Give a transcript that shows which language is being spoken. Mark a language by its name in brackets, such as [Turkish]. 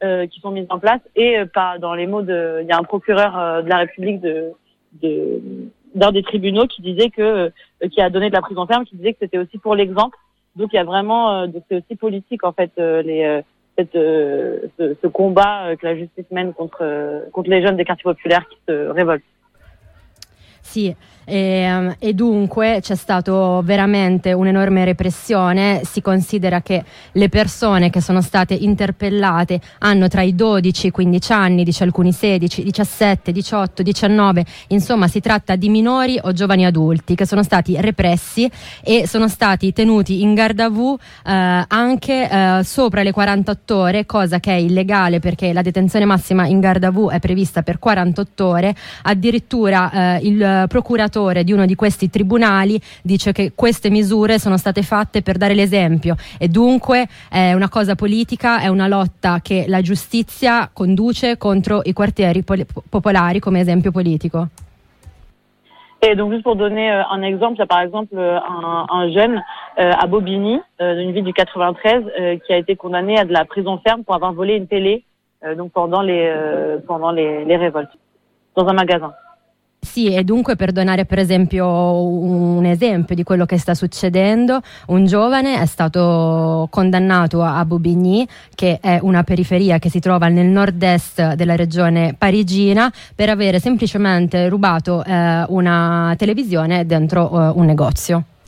[French] Qui sont mises en place et pas dans les mots de, il y a un procureur de la République d'un des tribunaux qui disait que, qui a donné de la prison ferme, qui disait que c'était aussi pour l'exemple. Donc il y a vraiment, c'est aussi politique en fait, ce combat que la justice mène contre les jeunes des quartiers populaires qui se révoltent. [Italian] Sì, e dunque c'è stato veramente un'enorme repressione. Si considera che le persone che sono state interpellate hanno tra i 12 e i 15 anni, dice alcuni 16, 17, 18, 19, insomma si tratta di minori o giovani adulti che sono stati repressi e sono stati tenuti in garde à vue anche sopra le 48 ore, cosa che è illegale perché la detenzione massima in garde à vue è prevista per 48 ore. Addirittura il procuratore di uno di questi tribunali dice che queste misure sono state fatte per dare l'esempio, e dunque è una cosa politica, è una lotta che la giustizia conduce contro i quartieri popolari come esempio politico. [French] E donc juste pour donner un exemple, c'est par exemple un jeune à Bobigny, d'une ville du 93, qui a été condamné à de la prison ferme pour avoir volé une télé, donc pendant les révoltes dans un magasin. [Italian] Sì, e dunque per donare per esempio un esempio di quello che sta succedendo, un giovane è stato condannato a Bobigny, che è una periferia che si trova nel nord-est della regione parigina, per avere semplicemente rubato una televisione dentro un negozio.